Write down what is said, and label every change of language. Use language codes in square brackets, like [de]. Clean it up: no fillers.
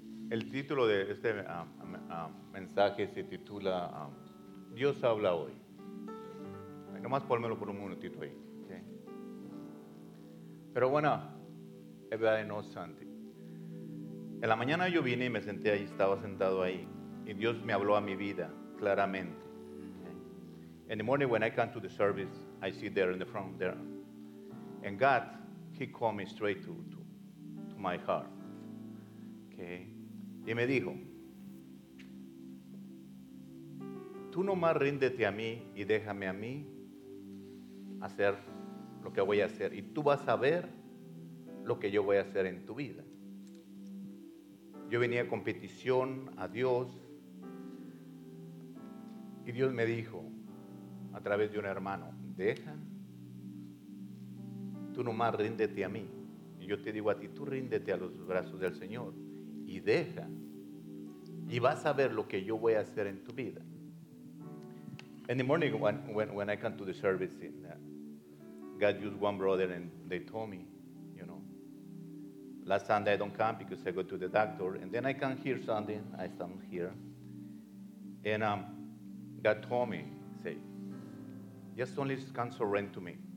[es] El título de este mensaje se titula Dios habla hoy. Nomás pónmelo por un minutito ahí, okay. Pero bueno, es verdad, no santi. En la mañana yo vine y me senté ahí, estaba sentado ahí, y Dios me habló a mi vida claramente. Okay. [en] In the morning when I come to the service, I see there in the front there. And God, He called me straight to my heart. [es] Okay. Y me dijo, tú nomás ríndete a mí y déjame a mí hacer lo que voy a hacer. Y tú vas a ver lo que yo voy a hacer en tu vida. Yo venía con petición a Dios. Y Dios me dijo, a través de un hermano, deja, tú nomás ríndete a mí, y yo te digo a ti, tú ríndete a los brazos del Señor y deja, y vas a ver lo que yo voy a hacer en tu vida. [en] In the morning when I come to the service, God used one brother and they told me, you know, last Sunday I don't come because I go to the doctor, and then I come here Sunday, I stand here, and God told me, say, just only can surrender to me.